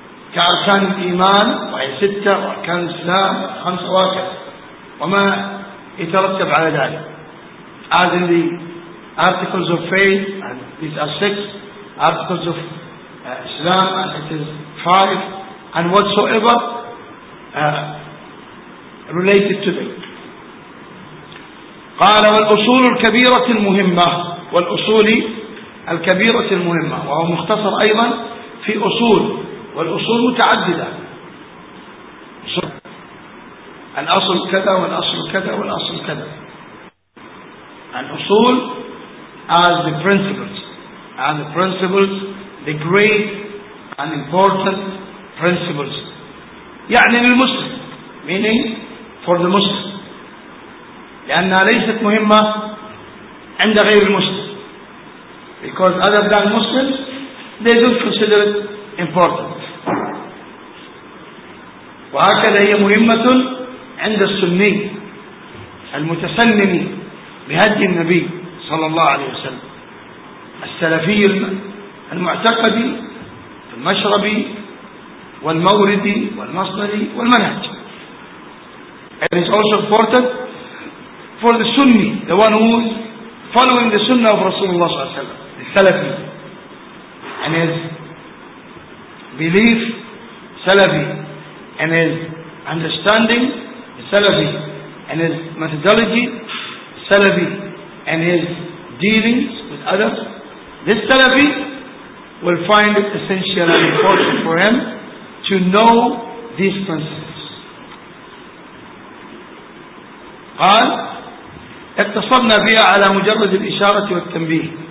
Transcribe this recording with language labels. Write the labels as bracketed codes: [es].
[ar] كأركان الإيمان وهي ستة، وأركان الإسلام خمسة، وهكذا وما يترتب على ذلك. [en] As in the articles of faith, and these are six articles of Islam, and it is five, and whatsoever related to them. [ar] قال والأصول الكبيرة المهمة، والأصول الكبيرة المهمة، وهو مختصر أيضا في أصول، والأصول متعددة، الأصل كذا والأصل كذا والأصل كذا. [en] الأصول as the principles, and the principles the great and important principles. [ar] يعني للمسلم، [en] meaning for the Muslim، [ar] لأنها ليست مهمة عند غير المسلم، [en] because other than Muslims they don't consider it important. [ar] وهكذا هي مهمة عند السني المتسلم بهدي النبي صلى الله عليه وسلم، السلفي المعتقدي المشربي والموردي والمصدري والمنهج. [en] It is also important for the Sunni, the one who is following the Sunnah of [ar] رسول الله صلى الله عليه وسلم، [en] the Salafi, and his belief Salafi, and his understanding Salafi, and his methodology Salafi, and his dealings with others. This Salafi will find it essential and important for him to know these principles. [ar] قال اتصلنا بها على مجرد الإشارة والتنبيه.